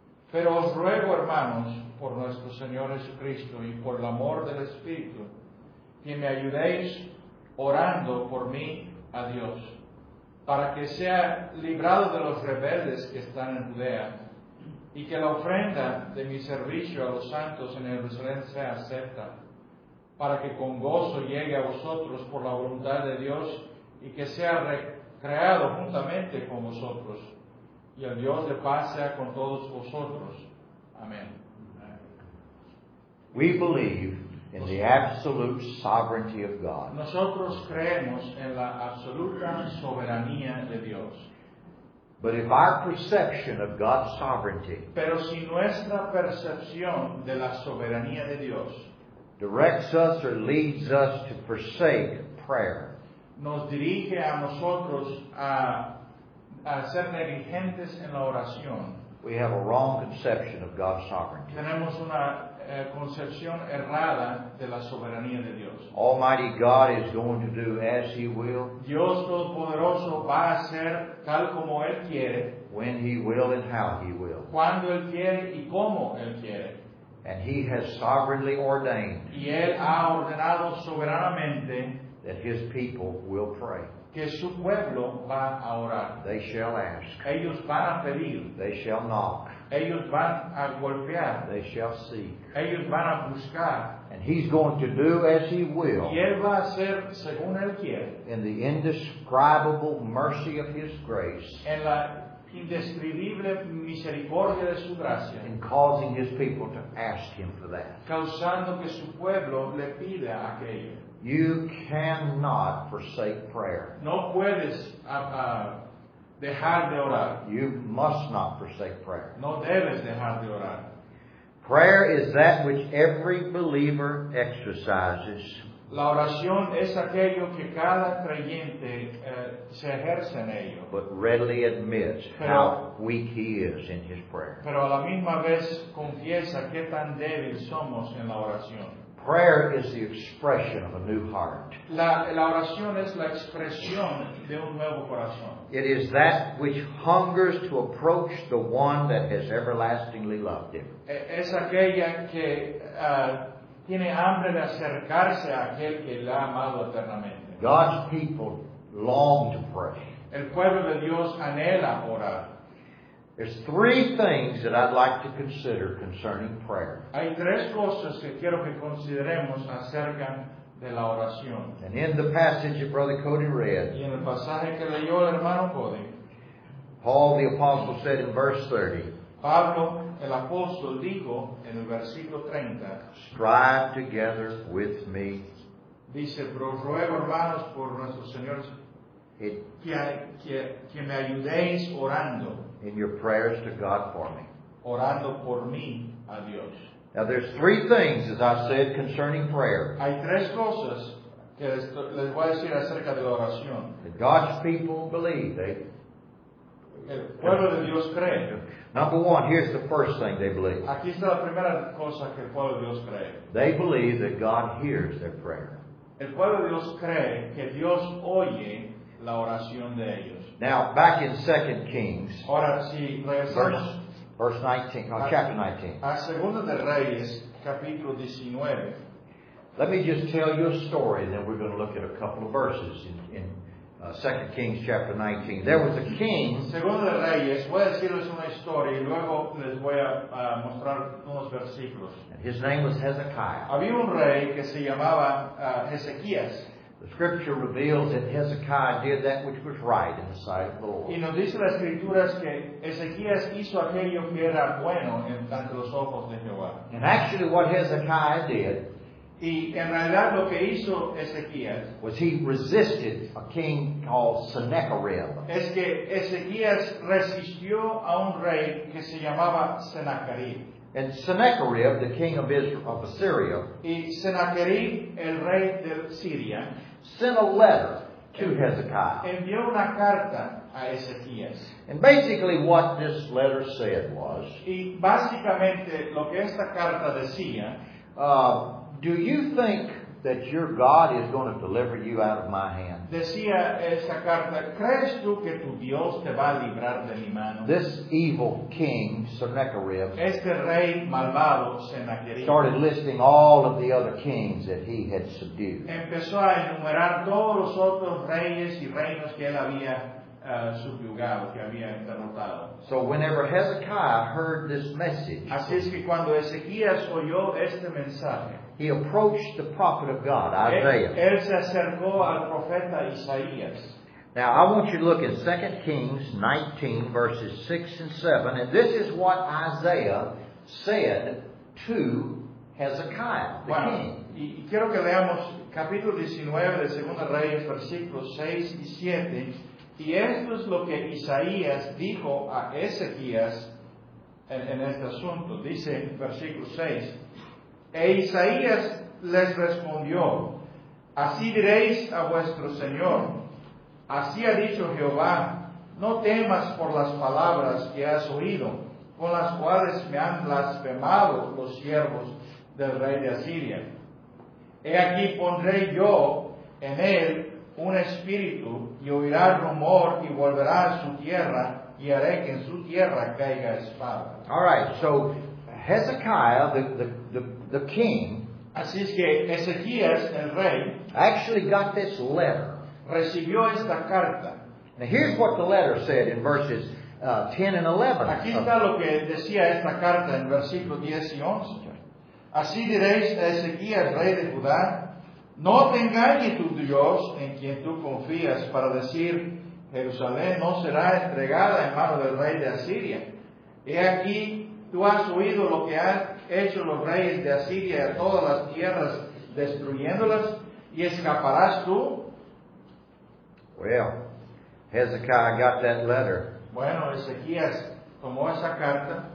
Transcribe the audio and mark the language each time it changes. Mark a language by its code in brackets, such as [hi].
[es] Pero os ruego, hermanos, por nuestro Señor Jesucristo y por el amor del Espíritu, que me ayudéis orando por mí a Dios, para que sea librado de los rebeldes que están en Judea, y que la ofrenda de mi servicio a los santos en Jerusalén sea acepta, para que con gozo llegue a vosotros por la voluntad de Dios y que sea recreado juntamente con vosotros. Y el Dios de paz sea con todos vosotros. Amén. [en] We believe in the absolute sovereignty of God. [es] Nosotros creemos en la absoluta soberanía de Dios. [en] But if our perception of God's sovereignty, [es] pero si nuestra percepción de la soberanía de Dios, [en] directs us or leads us to forsake prayer, [es] nos dirige a nosotros a ser negligentes en la oración, [en] we have a wrong conception of God's sovereignty. [es] Tenemos una concepción errada de la soberanía de Dios. [en] Almighty God is going to do as He will. [es] Dios Todopoderoso va a hacer tal como Él quiere. [en] When He will and how He will. [es] Cuando Él quiere y como Él quiere. [en] And He has sovereignly ordained. [es] Y Él ha ordenado soberanamente. [en] That His people will pray. [es] Que su pueblo va a orar. [en] They shall ask. [es] Ellos van a pedir. [en] They shall knock. [es] Ellos van a golpear. [en] They shall seek. [es] Ellos van a buscar. [en] And He's going to do as He will. [es] Y Él va a hacer según Él quiere. [en] In the indescribable mercy of His grace. [es] En la indescrivibile misericordia de su gracia, [en] and causing his people to ask him for that. [es] Causando que su pueblo le pida aquello. [en] You cannot forsake prayer. [es] No puedes dejar de orar. [en] You must not forsake prayer. [es] No debes dejar de orar. [en] Prayer is that which every believer exercises. [es] La oración es aquello que cada creyente se ejerce en ello. [en] But readily admits how weak he is in his prayer. [es] Pero a la misma vez confiesa qué tan débil somos en la oración. [en] Prayer is the expression of a new heart. [es] La oración es la expresión de un nuevo corazón. [en] It is that which hungers to approach the one that has everlastingly loved him. [es] Es aquella que tiene hambre de acercarse a aquel que la ha amado eternamente. [en] God's people long to pray. [es] El pueblo de Dios anhela orar. [en] There's three things that I'd like to consider concerning prayer. [es] Hay tres cosas que quiero que consideremos acerca de la oración. [en] And in the passage that Brother Cody read, [es] y en el pasaje que leyó el hermano Cody, [en] Paul the Apostle said in verse 30, [es] Pablo el apóstol dijo en el versículo 30, [en] strive together with me. [es] Dice, ruego hermanos por nuestro Señor que me ayudéis orando. [en] In your prayers to God for me. [es] Orando por mí a Dios. [en] Now there's three things, as I said, concerning prayer. [es] Hay tres cosas que les voy a decir acerca de la oración. [en] That God's people believe. [es] El pueblo de Dios cree. [en] Number one, here's the first thing they believe. [es] Aquí está la primera cosa que el pueblo de Dios cree. [en] They believe that God hears their prayer. [es] El pueblo de Dios cree que Dios oye la oración de ellos. [en] Now, back in 2 Kings, [es] ahora, si regresamos, [en] verse 19, no, chapter 19. [es] A Segunda de Reyes, capítulo 19. [en] Let me just tell you a story, and then we're going to look at a couple of verses in 2 Kings, chapter 19. There was a king. [es] Segunda de Reyes, voy a decirles una historia, y luego les voy a mostrar unos versículos. [en] And his name was Hezekiah. [es] Había un rey que se llamaba Ezequías. [en] The scripture reveals that Hezekiah did that which was right in the sight of the Lord. [es] Y nos dice las escrituras que Ezequías hizo aquello que era bueno ante los ojos de Jehová. [en] And actually what Hezekiah did, [es] y en realidad lo que hizo Ezequías, [en] was he resisted a king called Sennacherib. [es] Es que Ezequías resistió a un rey que se llamaba Sennacherib. [en] And Sennacherib, the king of Israel, of Assyria, [es] y Sennacherib, el rey de Siria, [en] sent a letter to Hezekiah. [es] Envió una carta a Ezequías. [en] And basically what this letter said was, [es] y básicamente lo que esta carta decía, [en] do you think that your God is going to deliver you out of my hand? [es] Decía esta carta, ¿crees tú que tu Dios te va a librar de mi mano? [en] This evil king, Sennacherib, [es] este rey malvado, Sennacherib, [en] started listing all of the other kings that he had subdued. [es] Empezó a enumerar todos los otros reyes y reinos que él había subyugado, que había derrotado. [en] So whenever Hezekiah heard this message, [es] así es que cuando Ezequías oyó este mensaje, [en] he approached the prophet of God, Isaiah. [es] Él se acercó al profeta Isaías. [en] Now, I want you to look in 2 Kings 19, verses 6 and 7. And this is what Isaiah said to Hezekiah, the king. [es] Y quiero que leamos capítulo 19 de 2 Reyes, versículos 6 y 7. Y esto es lo que Isaías dijo a Ezequías en este asunto. Dice en versículo 6. E Isaías les respondió, así diréis a vuestro Señor, así ha dicho Jehová, no temas por las palabras que has oído, con las cuales me han blasfemado los siervos del rey de Asiria. He aquí pondré yo en él un espíritu, y oirá rumor, y volverá a su tierra, y haré que en su tierra caiga espada. [en] All right, so Hezekiah, the king, [es] así es que Ezequías, el rey, [en] actually got this letter. [es] Recibió esta carta. [en] Now here's what the letter said in verses 10 and 11. [es] Aquí está lo que decía esta carta en versículos 10 y 11. Así diréis a Ezequías, rey de Judá, no te engañe tu Dios en quien tú confías para decir, Jerusalén no será entregada en manos del rey de Asiria. He aquí, tú has oído lo que han hecho los reyes de Asiria a todas las tierras, destruyéndolas, y escaparás tú. [en] Well, Hezekiah got that letter. [es] Bueno, Ezequías tomó esa carta.